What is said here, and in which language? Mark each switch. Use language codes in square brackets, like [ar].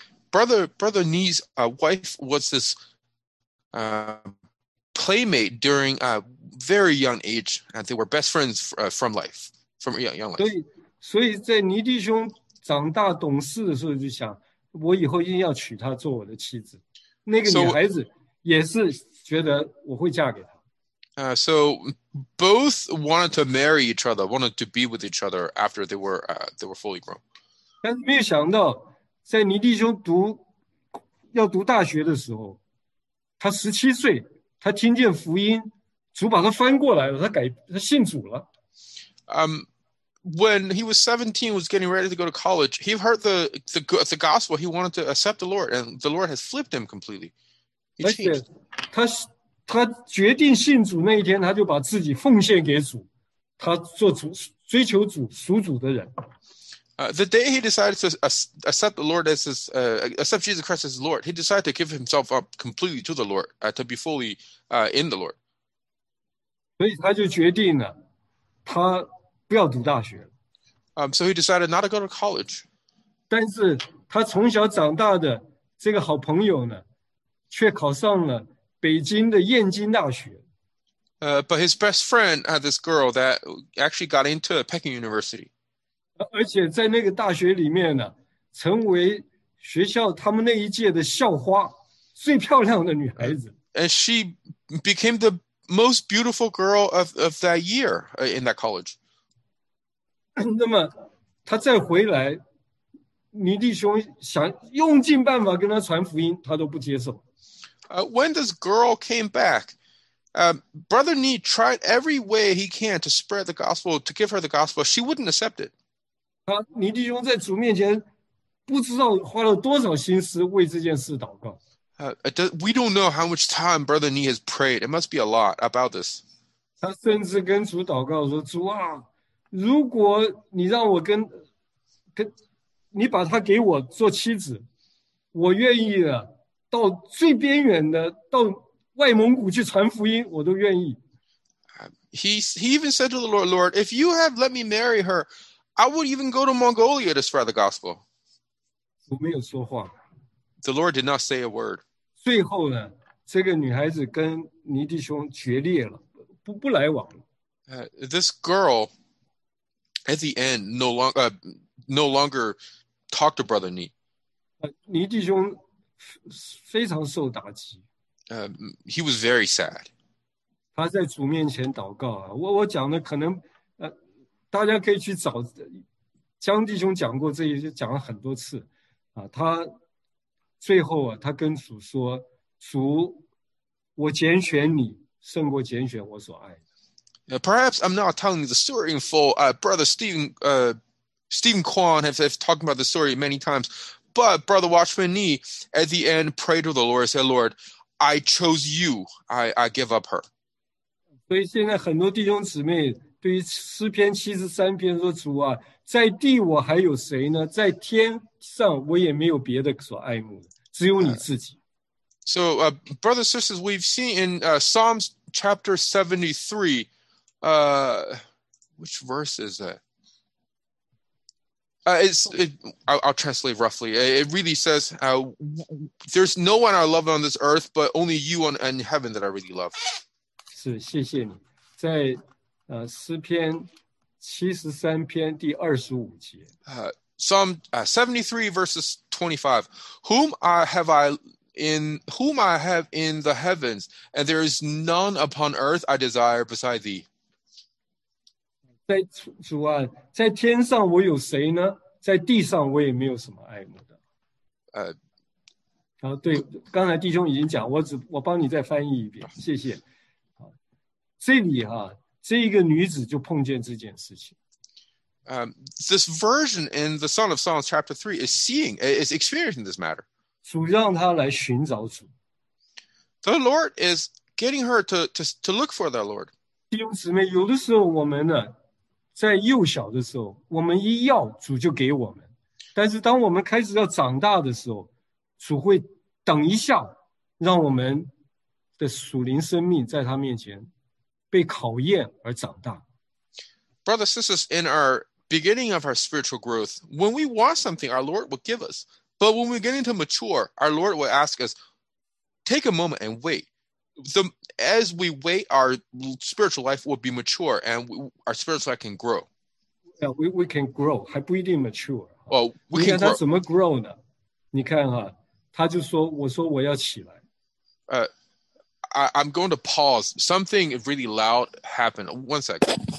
[en] Brother Nee's wife was this playmate during a very young age, and they were best friends from young life. [zh] 所以在尼弟兄长大懂事的时候就想，我以后一定要娶她做我的妻子。那个女孩子也是觉得我会嫁给她。 [en] So both wanted to marry each other, wanted to be with each other after they were fully grown. [zh] 但是没有想到，在尼弟兄要读大学的时候，他十七岁，他听见福音，主把他翻过来了，他信主了。 [en] When he was 17, was getting ready to go to college, he heard the gospel. He wanted to accept the Lord, and the Lord has flipped him completely. He changed. [zh] 他决定信主那一天，他就把自己奉献给主，他做主追求主属主的人。 [en] The day he decided to accept the Lord as his accept Jesus Christ as his Lord, he decided to give himself up completely to the Lord, to be fully in the Lord. [zh] 所以他就决定了，他不要读大学。 [en] So he decided not to go to college. [zh] 但是他从小长大的这个好朋友呢，却考上了北京的燕京大学。 [en] But his best friend had this girl that actually got into Peking University. [zh] 而且在那个大学里面呢，成为学校他们那一届的校花，最漂亮的女孩子。 [en] And she became the most beautiful girl of that year in that college. [zh] 那么他再回来，尼弟兄想用尽办法跟他传福音，他都不接受。 [en] When this girl came back, Brother Nee tried every way he can to spread the gospel, to give her the gospel. She wouldn't accept it. [zh] 尼弟兄在主面前不知道花了多少心思为这件事祷告。 [en] We don't know how much time Brother Nee has prayed. It must be a lot about this. [zh] 他甚至跟主祷告说，主啊，如果你让我跟你把他给我做妻子，我愿意啊，到最边缘的，到外蒙古去传福音，我都愿意。 [en] He even said to the Lord, Lord, if you have let me marry her, I would even go to Mongolia to spread the gospel. [zh] 我没有说话。 [en] The Lord did not say a word. [zh] 最后呢，这个女孩子跟尼弟兄决裂了，不来往了。 [en] This girl, at the end, no longer talked to Brother Nee. [zh] 尼弟兄非常受打击。 [en] He was very sad. [zh] 他在主面前祷告啊，我讲的可能大家可以去找江弟兄讲过这些，讲了很多次啊，他。最后啊，他跟主说：“主，我拣选你，胜过拣选我所爱的。 [en] Perhaps I'm not telling the story in full. Brother Stephen Kwan have talked about the story many times. But Brother Watchman Nee at the end prayed to the Lord and said, Lord, I chose you. I give up her. [zh] 所以现在很多弟兄姊妹对于诗篇七十三篇说，主啊，在地我还有谁呢？在天上我也没有别的所爱慕的，只有你自己。 [en] So, brothers and sisters, we've seen in Psalms chapter 73, which verse is that? I'll translate roughly. It really says, there's no one I love on this earth, but only you in heaven that I really love. [zh] 是，谢谢你。在诗篇七十三篇第二十五节。 [en] Psalm 73 verses 25. Whom I have in the heavens, and there is none upon earth I desire beside thee. [zh] 在主啊，在天上我有谁呢？在地上我也没有什么爱慕的。对，刚才弟兄已经讲，我帮你再翻译一遍，谢谢。这里哈，这一个女子就碰见这件事情。 [en] This version in the Song of Songs chapter 3 is seeing, is experiencing this matter. [zh] 主让她来寻找主。 [en] The Lord is getting her to look for the Lord. [zh] 弟兄姊妹，有的时候我们呢，在幼小的时候，我们一要主就给我们，但是当我们开始要长大的时候，主会等一下，让我们的属灵生命在他面前被考验而长大。 [en] Brothers, sisters, in our beginning of our spiritual growth, when we want something, our Lord will give us. But when we get into mature, our Lord will ask us, take a moment and wait. As we wait, our spiritual life will be mature and our spiritual life can grow. Yeah, we can grow, [zh] 还不一定 [en] mature. Well, we can grow. [zh] 你看他怎么 grow 呢？你看哈，他就说，我说我要起来。 [en] I'm going to pause. Something really loud happened. One second.